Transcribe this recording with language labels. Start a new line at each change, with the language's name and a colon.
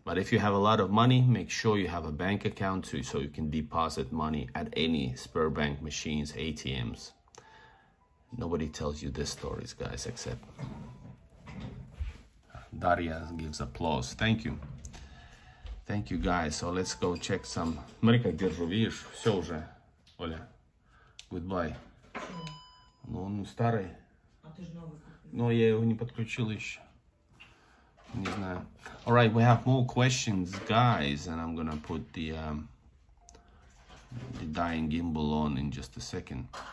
English: But if you have a lot of money, make sure you have a bank account too, so you can deposit money at any Sberbank machines, ATMs. Nobody tells you these stories, guys, except Daria gives applause. Thank you. Thank you, guys. So let's go check some.
Russian: Смотри, как держу, видишь? Все уже. Оля.
English: Goodbye.
Russian: Ну, он старый. А ты же новый. Но я его не подключил еще. Не знаю.
English: All right, we have more questions, guys. And I'm going to put the dying gimbal on in just a second.